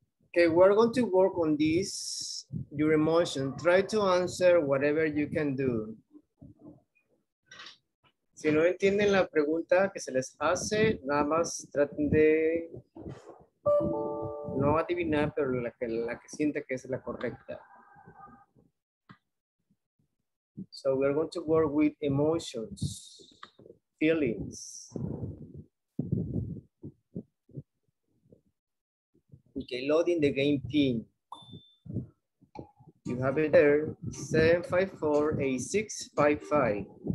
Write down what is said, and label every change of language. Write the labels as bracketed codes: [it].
[en] Okay, we're going to work on this, your emotion. Try to answer whatever you can do. [es] Si no entienden la pregunta que se les hace, nada más traten de no adivinar, pero la que sienta que es la correcta. [en] So we're going to work with emotions, feelings. Okay, loading the game team. You have it there, 754-8655.